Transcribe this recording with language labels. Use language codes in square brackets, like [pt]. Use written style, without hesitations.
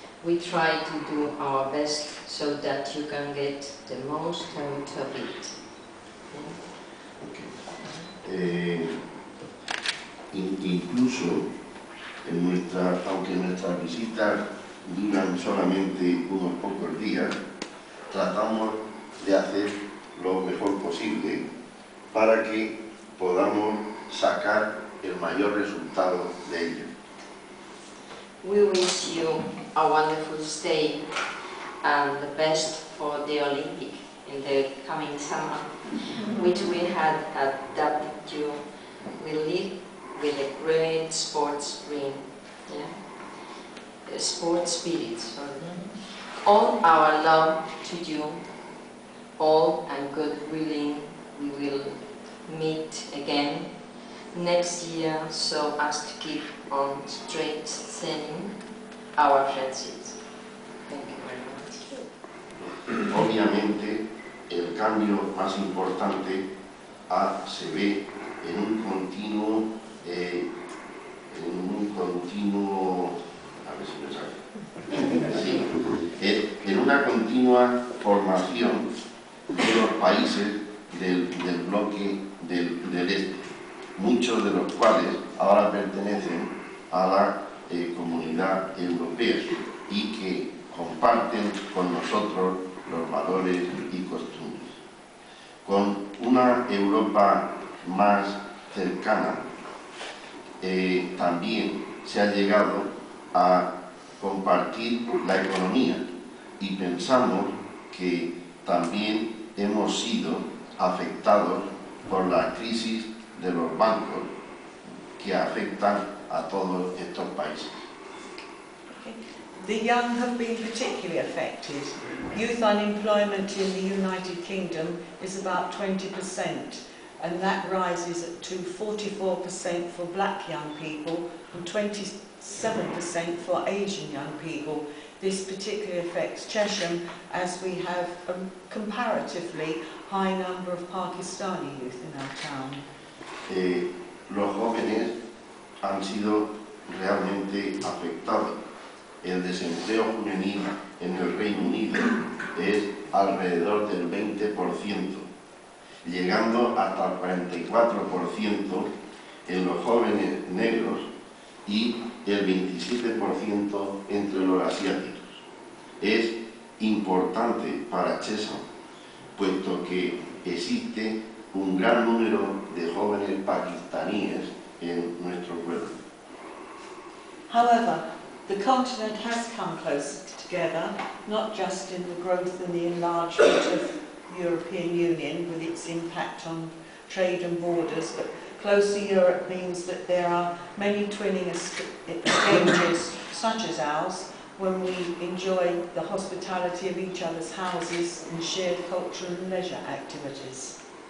[en] We try to do our best so that you can get the most out of it. [es] Incluso en nuestra, aunque nuestras visitas duran solamente unos pocos días, tratamos de hacer lo mejor posible para que podamos sacar el mayor resultado de ello. [en] We wish you a wonderful stay and the best for the Olympic in the coming summer, which we had adapted you will live with a great sports dream, yeah? Sports spirit, sorry. All our love to you all and good willing, we will meet again next year so as to keep on strengthening our friendships. Thank you very much. [es] Obviamente, el cambio más importante se ve en un continuo, a ver si me sale. Sí, en una continua formación de los países del bloque del este, muchos de los cuales ahora pertenecen a la comunidad europea y que comparten con nosotros los valores y costumbres. Con una Europa más cercana, también se ha llegado a compartir la economía y pensamos que también hemos sido afectados por la crisis de los bancos que afectan a todos estos países. [en] The young have been particularly affected. Youth unemployment in the United Kingdom is about 20%, and that rises to 44% for black young people and 27% for Asian young people. This particularly affects Chesham, as we have a comparatively high number of Pakistani youth in our town. [es] Los jóvenes han sido realmente afectados. El desempleo juvenil en el Reino Unido es alrededor del 20%, llegando hasta el 44% en los jóvenes negros y el 27% entre los asiáticos. Es importante para Chesham, puesto que existe un gran número de jóvenes pakistaníes en nuestro pueblo. [en] However, the continent has come closer together, not just in the growth and the enlargement of the European Union with its impact on trade and borders, but closer Europe means that there are many twinning exchanges such as ours, when we enjoy the hospitality of each other's houses and shared cultural and leisure activities.